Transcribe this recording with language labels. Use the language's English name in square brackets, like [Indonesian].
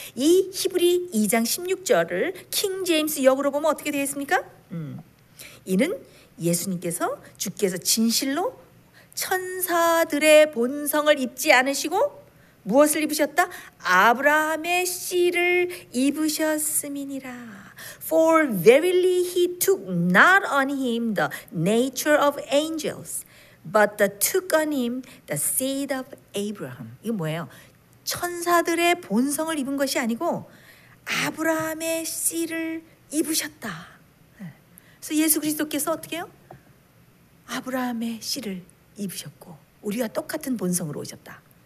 [Korean] 이 히브리 2장 16절을 킹 제임스 역으로 보면 어떻게 되겠습니까? 이는 예수님께서 주께서 진실로 천사들의 본성을 입지 않으시고 무엇을 입으셨다? 아브라함의 씨를 입으셨음이니라. [English] For verily he took not on him the nature of angels, but took on him the seed of Abraham. [Korean] 이게 뭐예요? 천사들의 본성을 입은 것이 아니고 아브라함의 씨를 입으셨다. 그래서 예수 그리스도께서 어떻게 해요? 아브라함의 씨를 입으셨고 우리와 똑같은 본성으로 오셨다.